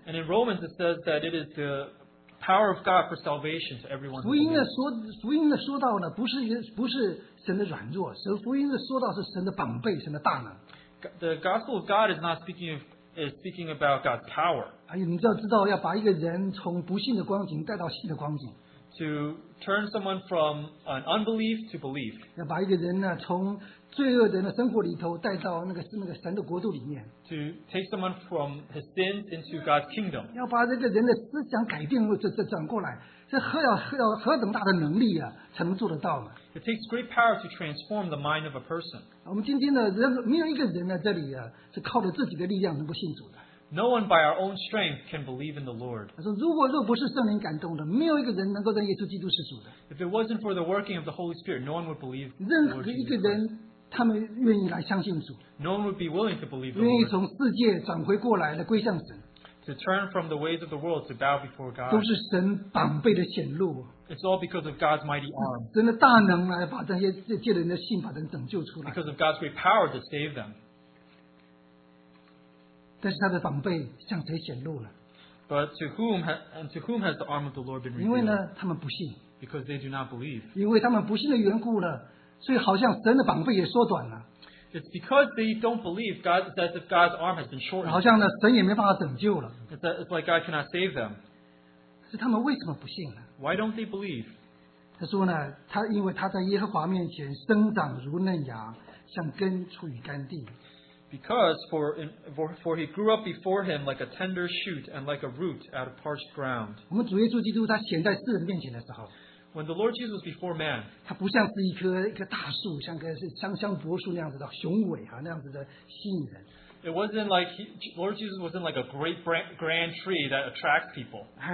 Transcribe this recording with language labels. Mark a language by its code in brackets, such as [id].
[en] And in Romans it says that it is the power of God for salvation to everyone. [zh] 福音呢说到呢，不是神的软弱，神福音呢说到是神的膀臂，神的大能。 [en] The gospel of God is not speaking about God's power. [zh] 你要知道，要把一个人从不信的光景带到信的光景。 [en] To turn someone from an unbelief to belief. [zh] 要把一个人呢从罪恶人的生活里头带到那个神的国度里面。 [en] To take someone from his sins into God's kingdom. [zh] 要把这个人的思想改变或者转过来，这何等大的能力啊，才能做得到呢？ [en] It takes great power to transform the mind of a person. [zh] 我们今天呢，没有一个人在这里啊，是靠着自己的力量能够信主的。 [en] No one by our own strength can believe in the Lord. [zh] 他说，如果若不是圣灵感动的，没有一个人能够认耶稣基督是主的。 [en] If it wasn't for the working of the Holy Spirit, no one would believe. [zh] 任何一个人。他们愿意来相信主, [en] no one would be willing to believe the Lord. [zh] 愿意从世界转回过来的, 归向神, [en] to turn from the ways of the world to bow before God. [zh] 都是神膀臂的显露, [en] it's all because of God's mighty arm. [zh] 真的大能来把这些借人的信把人拯救出来, [en] because of God's great power to save them. [zh] 但是他的膀臂向谁显露了? [en] But to whom has the arm of the Lord been revealed? [zh] 因为呢, [en] because they do not believe. [zh] 因为他们不信的缘故了, 所以好像神的膀臂也缩短了, [en] it's because they don't believe God, that if God's arm has been shortened, [zh] 好像呢,神也没办法拯救了, [en] it's like God cannot save them. [zh] 是他们为什么不信呢? [en] Why don't they believe? [zh] 他说呢, 他因为他在耶和华面前生长如嫩芽, 像根出于甘地, [en] because for he grew up before him like a tender shoot and like a root out of parched ground. [zh] 我们主耶稣基督他显在世人面前的时候, [en] when the Lord Jesus was before man, [zh] 它不像是一棵大树, 像个香柏树那样子的雄伟啊, 那样子的吸引人, [en] it wasn't like Lord Jesus wasn't like a great grand tree that attracts people.